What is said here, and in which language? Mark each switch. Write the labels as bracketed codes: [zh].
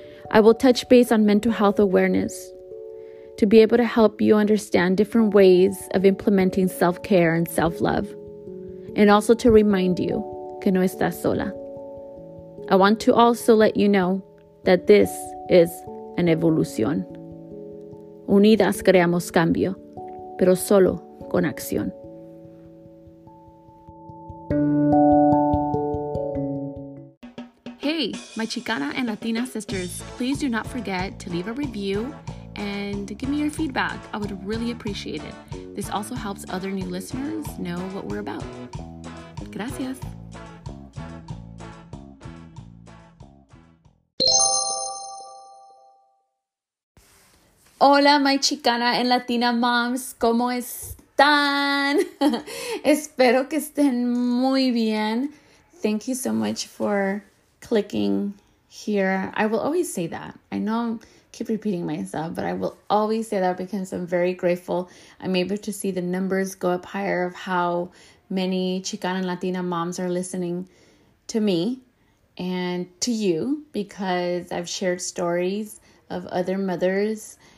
[en] I will touch base on mental health awareness to be able to help you understand different ways of implementing self-care and self-love, and also to remind you [es] que no estás sola. [en] I want to also let you know that this is an evolution. [es] Unidas creamos cambio, pero solo con acción. [en] Hey, my Chicana and Latina sisters, please do not forget to leave a review and give me your feedback. I would really appreciate it. This also helps other new listeners know what we're about. [es] Gracias. Hola, [en] my Chicana and Latina moms. [es] ¿Cómo están? Espero que estén muy bien. [en] Thank you so much for clicking here. I will always say that. I know I keep repeating myself, but I will always say that because I'm very grateful. I'm able to see the numbers go up higher of how many Chicana and Latina moms are listening to me and to you, because I've shared stories of other mothers.